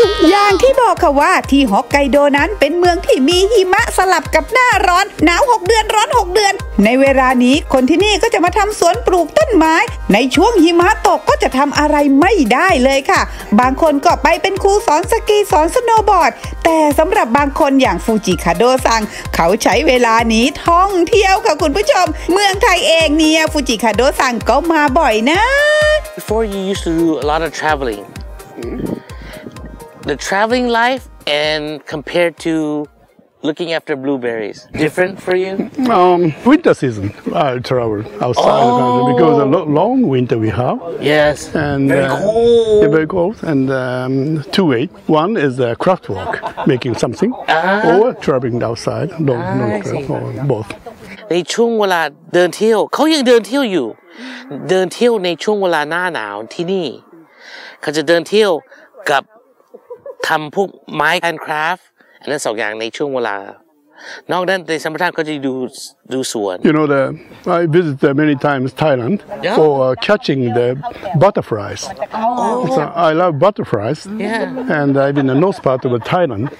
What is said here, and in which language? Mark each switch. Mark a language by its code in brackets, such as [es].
[th] อย่างที่บอกค่ะว่าที่ฮอกไกโดนั้นเป็นเมืองที่มีหิมะสลับกับหน้าร้อนหนาว6เดือนร้อน6เดือนในเวลานี้คนที่นี่ก็จะมาทำสวนปลูกต้นไม้ในช่วงหิมะตกก็จะทำอะไรไม่ได้เลยค่ะบางคนก็ไปเป็นครูสอนสกีสอนสโนว์บอร์ดแต่สำหรับบางคนอย่างฟูจิคาโดซังเขาใช้เวลานี้ท่องเที่ยวค่ะคุณผู้ชมเมืองไทยเองเนี่ยฟูจิคาโดซังก็มาบ่อยนะ [en] Before you used to do a lot of traveling, the traveling life and compared to looking after blueberries, different for you? Winter season, I travel outside because a long winter we have. Yes, and, very cold. And two ways. One is a craft walk, making something, or traveling outside, long trip, or both. [th] ในช่วงเวลาเดินเที่ยวเขายังเดินเที่ยวอยู่เดินเที่ยวในช่วงเวลาหน้าหนาวที่นี่เขาจะเดินเที่ยวกับทำพวกไม้แอนด์คราฟต์และสองอย่างในช่วงเวลานอกนั้นในสัมปทานเขาจะดูสวน [en] You know the I visit many times Thailand yeah. for catching the butterflies oh. so I love butterflies yeah. and I've been in the north part of Thailand